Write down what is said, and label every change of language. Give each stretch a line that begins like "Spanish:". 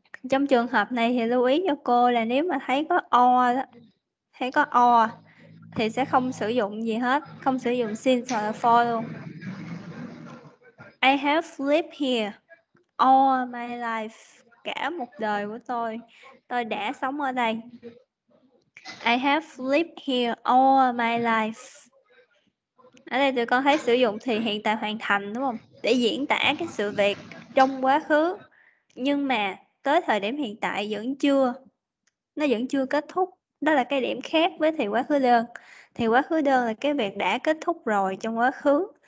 Vietnamese: Trong trường hợp này thì lưu ý cho cô là nếu mà thấy có o đó, thấy có o thì sẽ không sử dụng gì hết, không sử dụng since hoặc là for luôn.
English: I have lived here all my life.
Vietnamese: Cả một đời của tôi đã sống ở đây.
English: I have lived here all my life.
Vietnamese: Ở đây tụi con thấy sử dụng thì hiện tại hoàn thành đúng không? Để diễn tả cái sự việc trong quá khứ, nhưng mà tới thời điểm hiện tại vẫn chưa kết thúc. Đó là cái điểm khác với thì quá khứ đơn. Thì quá khứ đơn là cái việc đã kết thúc rồi trong quá khứ.